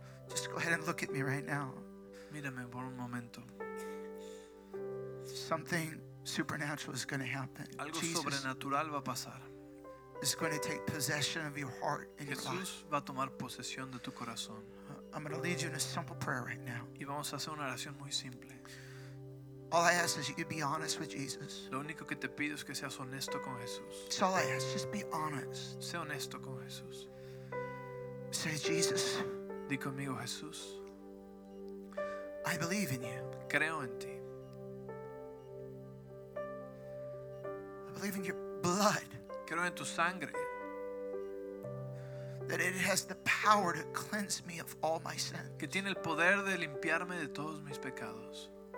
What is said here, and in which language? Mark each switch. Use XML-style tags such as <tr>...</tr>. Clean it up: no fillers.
<en>Just go ahead and look at me right now.</en> <es>Mírame por un momento.</es> <en>Something supernatural is going to happen.</en> <es>Algo sobrenatural va a pasar.</es> <en>Jesus is going to take possession of your heart and your life.</en> <es>Jesús va a tomar posesión de tu corazón.</es> <en>I'm going to lead you in a simple prayer right now.</en> <es>Y vamos a hacer una oración muy simple.</es> <en>All I ask is you be honest with Jesus.</en> <es>Lo único que te pido es que seas honesto con Jesús.</es> <en>That's all I ask. Just be honest.</en> <es>Sé honesto con Jesús.</es> <en>Say, Jesus.</en> <es>Di conmigo, Jesús.</es> <en>I believe in you.</en> <es>Creo en ti.</es> <en>I believe in your blood.</en> <es>Creo en tu sangre.</es> <en>That it has the power to cleanse me of all my sins.</en> <es>Que tiene el poder de limpiarme de todos mis pecados.</es>